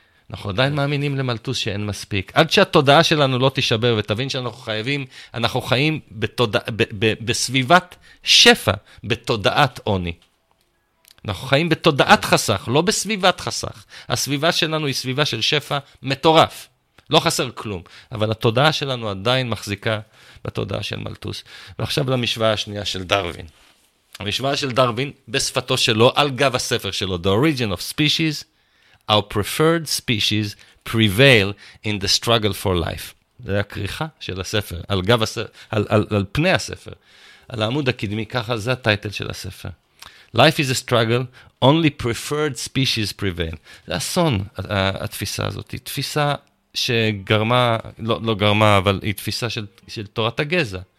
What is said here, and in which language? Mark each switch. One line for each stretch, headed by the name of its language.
Hebrew: אנחנו עדיין מאמינים למלטוז שאין מספיק. עד שהתודעה שלנו לא תישבר ותבין שאנחנו חייבים, אנחנו חיים בסביבת שפע, בתודעת עוני. אנחנו חיים בתודעת חסך, לא בסביבת חסך. הסביבה שלנו היא סביבה של שפע מטורף. לא חסר כלום. אבל התודעה שלנו עדיין מחזיקה בתודעה של מלטוס. ועכשיו למשוואה השנייה של דרווין. המשוואה של דרווין, בשפתו שלו, על גב הספר שלו,
English: The Origin of Species, Our Preferred Species Prevail in the Struggle for Life.
Hebrew: זה הקריכה של הספר, על גב הספר, על פני הספר, על העמוד הקדמי, ככה זה הטייטל של הספר.
English: Life is a struggle, only preferred species prevail.
Hebrew: זה אסון, התפיסה הזאת. היא תפיסה שגרמה, לא גרמה, אבל היא תפיסה של תורת הגזע.